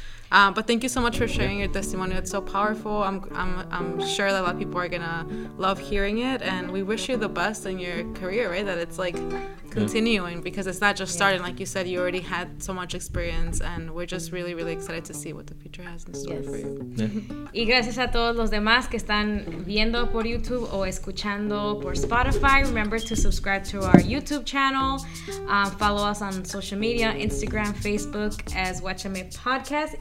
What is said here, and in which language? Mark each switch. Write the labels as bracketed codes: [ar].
[en] But thank you so much for sharing your testimony. It's so powerful. I'm sure that a lot of people are going to love hearing it. And we wish you the best in your career, right? That it's, like, continuing, because it's not just starting. Like you said, you already had so much experience. And we're just really, really excited to see what the future has in store for you. [es] Y gracias a todos los demás que están viendo por YouTube o escuchando por Spotify. [en] Remember to subscribe to our YouTube channel. Follow us on social media, Instagram, Facebook, as Guachame Podcast.